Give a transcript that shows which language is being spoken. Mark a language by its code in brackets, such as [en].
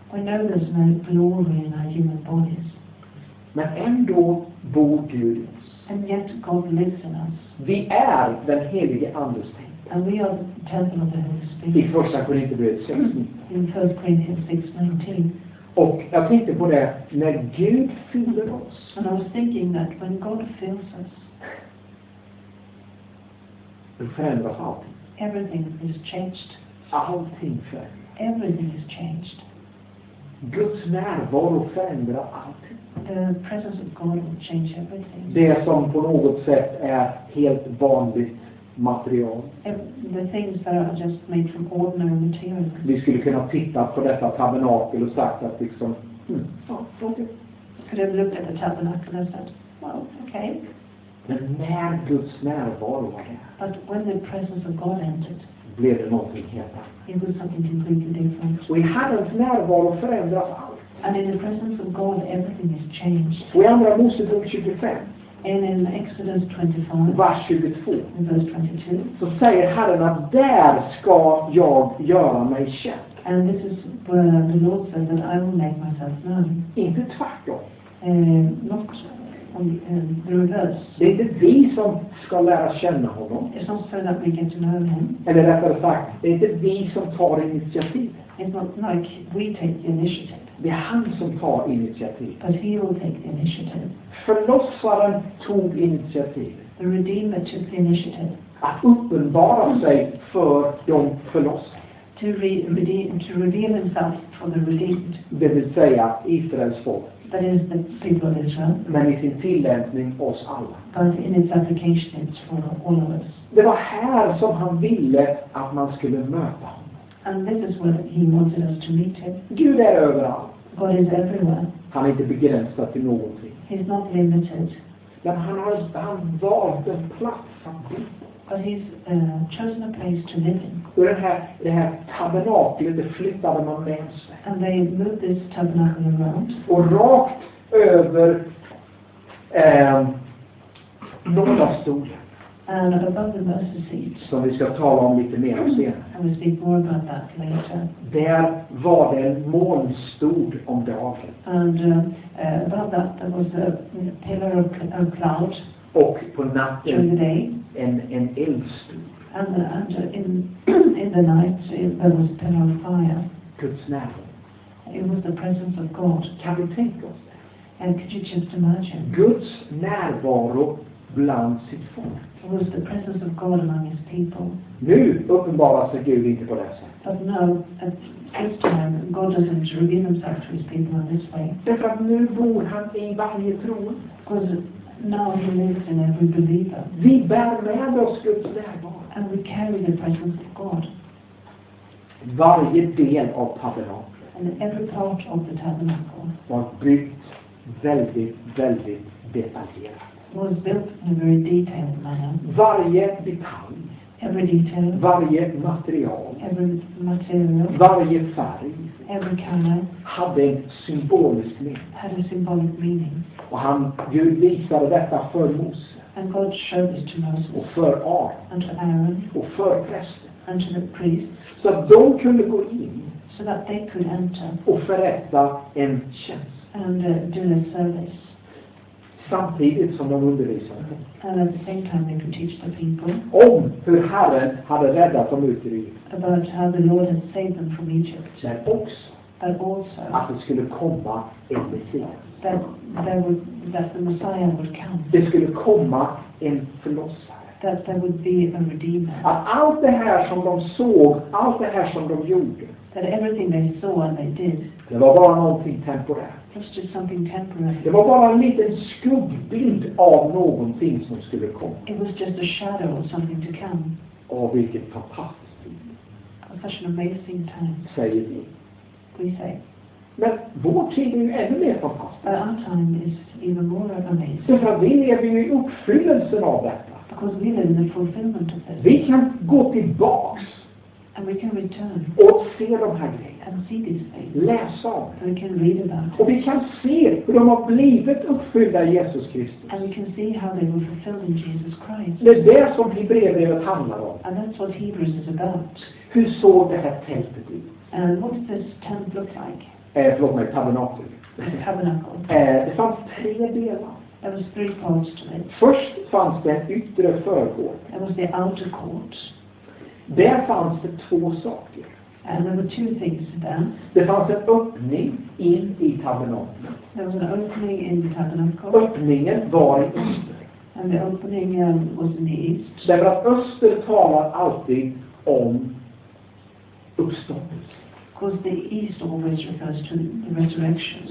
[en] We know there's no glory in our human bodies. [sv] Men ändå bor Gud i oss. [en] And yet God lives in us. [sv] Vi är den helige andes tempel. [en] And we are the temple of the Holy Spirit. [sv] I Första Korinthierbrevet 6:19. [en] In 1 Corinthians 6:19. [sv] Och jag tänkte på det, när Gud fyller oss. [en] And I was thinking that when God fills us, [sv] det förändras allting. [en] Everything is changed. [sv] Allting förändras. [en] Everything is changed. [sv] Guds närvaro förändrar allting. [en] The presence of God will change everything. [sv] Det som på något sätt är helt vanligt material. [en] The things that are just made from ordinary material. [sv] Vi skulle kunna titta på detta tabernakel och sagt att liksom. [en] Could have looked at the tabernacle and said, well, okay. [sv] Men när Guds närvaro var där. [en] But when the presence of God entered. [sv] Blev det någonting helt annat. [en] It was something completely different. [sv] Och i Herrens närvaro förändras allt. [en] And in the presence of God, everything is changed. [sv] Och i Andra Mosebok 25. [en] And in Exodus 25. [sv] Vers 22. [en] In verse 22. [sv] Så säger Herren att där ska jag göra mig känd. [en] And this is where the Lord says that I will make myself known. [sv] Inte tvärtom. [en] Not on the reverse. [sv] Det är inte vi som ska lära känna honom. [en] It's not so that we get to know him. [sv] Eller rättare sagt, det är inte vi som tar initiativet. [en] It's not like we take the initiative. [sv] Det är han som tar initiativ. [en] But he will take the initiative. [sv] Förlossaren tog initiativ. [en] The Redeemer took the initiative. [sv] Att uppenbara sig för de förlossade. [en] To redeem himself for the redeemed. [sv] Det vill säga Israels folk. [en] That is the people of Israel. [sv] Men i sin tillämpning oss alla. [en] But in its application it's for all of us. [sv] Det var här som han ville att man skulle möta. [en] And this is what he wanted us to meet him. [sv] Gud är överallt. [en] God is everywhere. [sv] Han är inte begränsad till någonting. [en] He's not limited. [sv] Men han valt en plats att bo. [en] But he's chosen a place to live in. [sv] Och det här tabernaklet, det flyttade man med sig. [en] And they moved this tabernacle around. [sv] Och rakt över nådastolen. [en] And above the mercy seat. [sv] Som vi ska tala om lite mer senare. [en] And we'll speak more about that later. [sv] Där var det en molnstod om dagen. [en] And above that there was a pillar of a cloud. [sv] Och på natten [en] the day. [sv] En eldstod. [en] And in the night there was a pillar of fire. [sv] Guds närvaro. [en] It was the presence of God. [sv] Kan vi tänka oss det? [en] And could you just imagine? [sv] Guds närvaro bland sitt folk. [en] It was the presence of God among his people. [sv] Nu uppenbarar sig Gud inte på det sättet. [en] But now, at this time, God doesn't reveal himself to his people in this way. [sv] Därför att nu bor han i varje troende. [en] Because now he lives in every believer. [sv] Vi bär med oss Guds närvaro. [en] And we carry the presence of God. [sv] Varje del av tabernaklet. [en] And every part of the tabernacle. [sv] Var byggt väldigt, väldigt detaljerat. [en] Was built in a very detailed manner. [sv] Varje detalj. [en] Every detail. [sv] Varje material. [en] Every material. [sv] Varje färg. [en] Every color. [sv] Hade en symbolisk mening. [en] Had a symbolic meaning. [sv] Och han, Gud visade detta för Mose. [en] And God showed this to Moses. [sv] Och för [en] Aaron. [sv] Och för prästen. [en] And to the priest. [sv] Så att de kunde gå in. [en] So that they could enter. [sv] Och förrätta en tjänst. [en] And do a service. [sv] Samtidigt som de undervisade. [en] And at the same time they could teach the people. [sv] Om hur Herren hade räddat dem ut ur Egypten. [en] About how the Lord had saved them from Egypt. [sv] Men också. [en] But also. [sv] Att det skulle komma en Messias. [en] That the Messiah would come. [sv] Det skulle komma en förlossare. [en] That there would be a redeemer. [sv] Att allt det här som de såg, allt det här som de gjorde. [en] That everything they saw and they did. [sv] Det var bara någonting temporärt. [en] Just something temporary. [sv] Det var bara en liten skuggbild av någonting som skulle komma. [en] It was just a shadow of something to come. [sv] Åh, vilket fantastiskt tid. [en] Oh, such an amazing time. [sv] Säger vi. [en] We say. [sv] Men vår tid är ju ännu mer fantastisk. [en] Our time is even more amazing. [sv] Därför att vi lever ju i uppfyllelsen av detta. [en] Because we live in the fulfillment of this. [sv] Vi kan gå tillbaks. [en] And we can return. [sv] Och se de här grejerna. [en] And see these things. [sv] Läs om. [en] And we can read about it. [sv] Och vi kan se hur de har blivit uppfyllda i Jesus Kristus. [en] And we can see how they were fulfilled in Jesus Christ. [sv] Det är det som Hebreerbrevet handlar om. [en] And that's what Hebrews is about. [sv] Hur såg det här tältet ut? [en] And what did this tent look like? [sv] Förlåt mig, tabernaklet. [en] The tabernacle. [sv] Det fanns tre delar. [en] There was three parts to it. [sv] Först fanns det en yttre förgård. [en] There was the outer court. [sv] Där fanns det två saker. [en] And there were two things there. [sv] Det fanns en öppning in i tabernaklet. [en] There was an opening in the tabernacle. [sv] Öppningen var i öster. [en] And the opening was in the east. [sv] Därför att öster talar alltid om uppståndelse. [en] Because the east always refers to the resurrection.